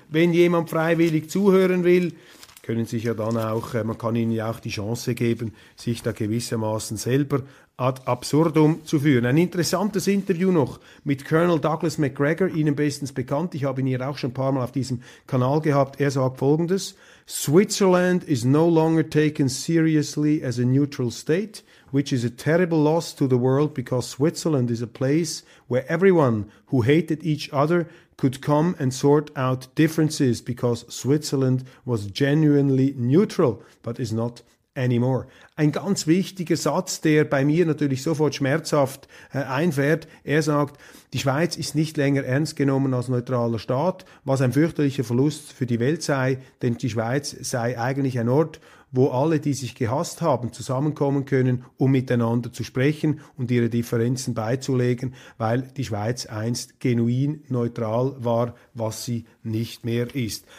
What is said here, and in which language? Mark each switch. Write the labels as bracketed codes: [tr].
[de] Wenn jemand freiwillig zuhören will, können sich ja dann auch, man kann ihnen ja auch die Chance geben, sich da gewissermaßen selber ad absurdum zu führen. Ein interessantes Interview noch mit Colonel Douglas MacGregor, Ihnen bestens bekannt. Ich habe ihn hier auch schon ein paar Mal auf diesem Kanal gehabt. Er sagt Folgendes: [en] Switzerland is no longer taken seriously as a neutral state, which is a terrible loss to the world, because Switzerland is a place where everyone who hated each other could come and sort out differences, because Switzerland was genuinely neutral, but is not anymore. [de] Ein ganz wichtiger Satz, der bei mir natürlich sofort schmerzhaft einfährt. Er sagt, die Schweiz ist nicht länger ernst genommen als neutraler Staat, was ein fürchterlicher Verlust für die Welt sei, denn die Schweiz sei eigentlich ein Ort, wo alle, die sich gehasst haben, zusammenkommen können, um miteinander zu sprechen und ihre Differenzen beizulegen, weil die Schweiz einst genuin neutral war, was sie nicht mehr ist.